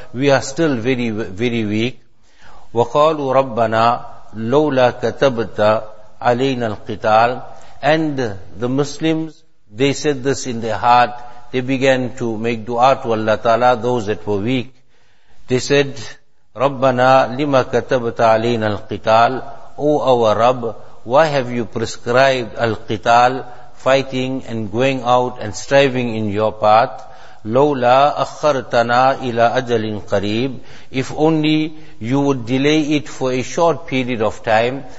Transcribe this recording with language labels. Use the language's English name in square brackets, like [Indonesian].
[English] We are still very, very weak. [Arabic] وَقَالُوا رَبَّنَا لَوْلَا كَتَبْتَ عَلَيْنَا الْقِتَالِ. [English] And the Muslims, they said this in their heart. They began to make dua to Allah Ta'ala, those that were weak. They said, [Arabic] رَبَّنَا لِمَا كَتَبْتَ عَلَيْنَا الْقِتَالِ. [English] O our Rabb, why have you prescribed al-qital, fighting and going out and striving in your path? [Arabic] لَوْلَا أَخَّرْتَنَا إِلَىٰ أَجَلٍ قَرِيبٍ. [English] If only you would delay it for a short period of time.